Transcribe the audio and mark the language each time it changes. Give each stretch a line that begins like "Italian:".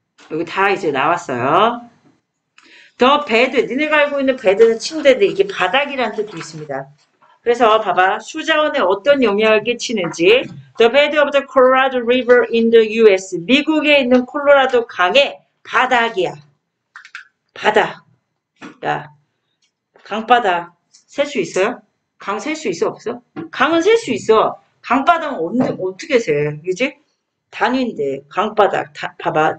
Korean: 여기 다 이제 나왔어요. The bed, 니네가 알고 있는 bed는 침대인데 이게 바닥이라는 뜻도 있습니다. 그래서 봐봐. 수자원에 어떤 영향을 끼치는지.
English: The bed of the Colorado River in the US.
Korean: 미국에 있는 콜로라도 강의 바닥이야. 바닥. 야. 강바닥. 셀수 있어요? 강셀수 있어? 없어? 강은 셀수 있어. 강바닥은 어떻게 세? 그지? 단위인데. 강바닥. 다, 봐봐.